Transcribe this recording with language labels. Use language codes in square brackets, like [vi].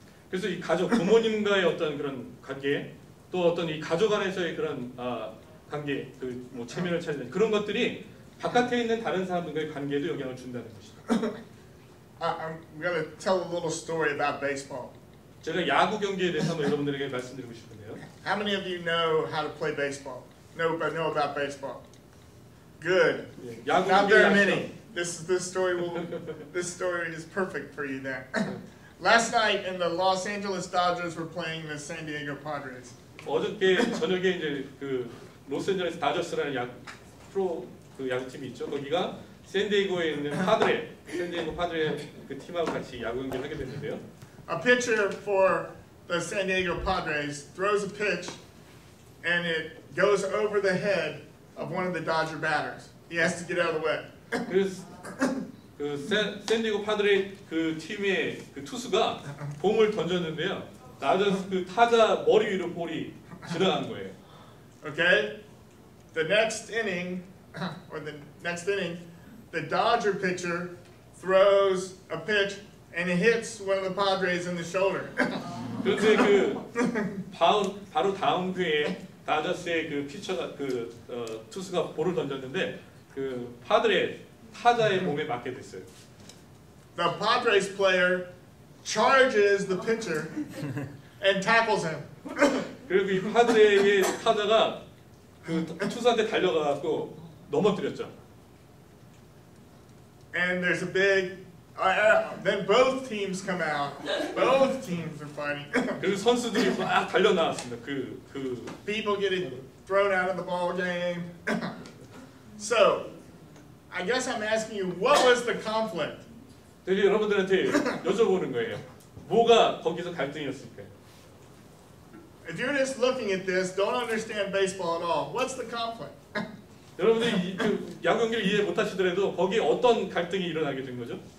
[ko] 그래서 이 가족 부모님과의 어떤 그런 관계 또 어떤 이 가족 안에서의 그런 관계 그 뭐 체면을 찾는 그런 것들이 바깥에 있는 다른 사람들과의 관계도 영향을 준다는 것이다. [en] I'm going to tell a little story about baseball. [ko] 제가 야구 경기에 대해서 한번 여러분들에게 말씀드리고 싶은데요. [en] How many of you know how to play baseball? Know about baseball? Good. [ko] 예, 야구 경기 [en] Not very many. This story is perfect for you then. Last night in the Los Angeles Dodgers were playing the San Diego Padres. [ko] 어저께 저녁에 이제 그 로스앤젤레스 다저스라는 야구 프로 그 야구팀이 있죠. 거기가 샌디에고에 있는 파드레, 샌디에고 파드레 그 팀하고 같이 야구 경기를 하게 됐는데요. [en] A pitcher for the San Diego Padres throws a pitch and it goes over the head of one of the Dodger batters. He has to get out of the way. [ko] 그 샌디에고 파드레 그 팀의 그 투수가 공을 던졌는데요. 다저스 그 타자 머리 위로 볼이 지나간 거예요. [en] Okay. The next inning or the next inning the Dodger pitcher throws a pitch and it hits one of the Padres in the shoulder. [ko] 그런데 그 바로 다음 회에 다저스의 그 피처가 그 투수가 볼을 던졌는데 그 파드레 타자의 몸에 맞게 됐어요. [en] The Padres player charges the pitcher and tackles him. 그리고 이 파드레의 타자가 그 투수한테 달려가서 넘어뜨렸죠. And there's a big then both teams come out. Both teams are fighting. [ko] 그 선수들이 막 달려 나왔습니다. 그 [en] people getting thrown out of the ball game. So, I guess I'm asking you what was the conflict? [ko] 드디어 여러분들한테 여쭤보는 거예요. 뭐가 거기서 갈등이었을까요? [en] If you're just looking at this, don't understand baseball at all. What's the conflict? [ko] 여러분들 그 야구 경기를 이해 못 하시더라도 거기 어떤 갈등이 일어나게 된 거죠?